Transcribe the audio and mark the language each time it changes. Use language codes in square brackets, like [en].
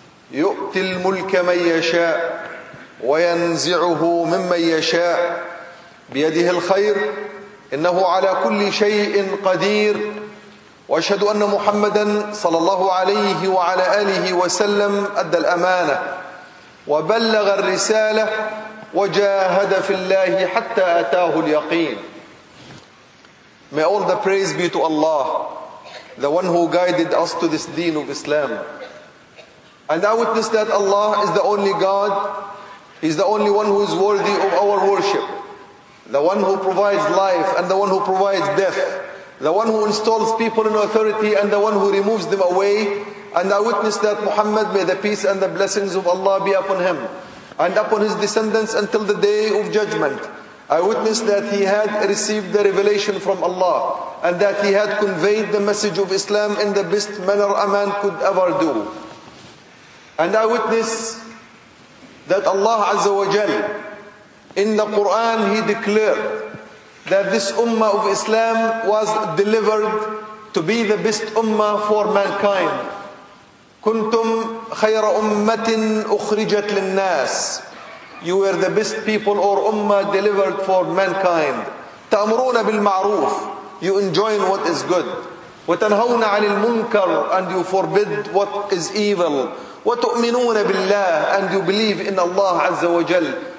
[ar] يؤتي الملك من يشاء وينزعه ممن يشاء بيده الخير إنه على كل شيء قدير وأشهد أن محمدًا صلى الله عليه وعلى آله وسلم أدى الأمانة وبلغ الرسالة وجاهد في الله حتى أتاه اليقين. [en] May all the praise be to Allah, the one who guided us to this deen of Islam. And I witness that Allah is the only God, He's the only one who is worthy of our worship. The one who provides life and the one who provides death. The one who installs people in authority and the one who removes them away. And I witness that Muhammad, may the peace and the blessings of Allah be upon him and upon his descendants until the day of judgment. I witness that he had received the revelation from Allah and that he had conveyed the message of Islam in the best manner a man could ever do. And I witness that Allah Azza wa Jal, in the Quran, he declared that this Ummah of Islam was delivered to be the best Ummah for mankind. [ar] كنتم خير أمة أخرجت للناس. [en] You were the best people or Ummah delivered for mankind. [ar] تأمرون بالمعروف. [en] You enjoin what is good. [ar] وتنهون عن المنكر. [en] And you forbid what is evil. [ar] وتؤمنون بالله. [en] And you believe in Allah عز وجل.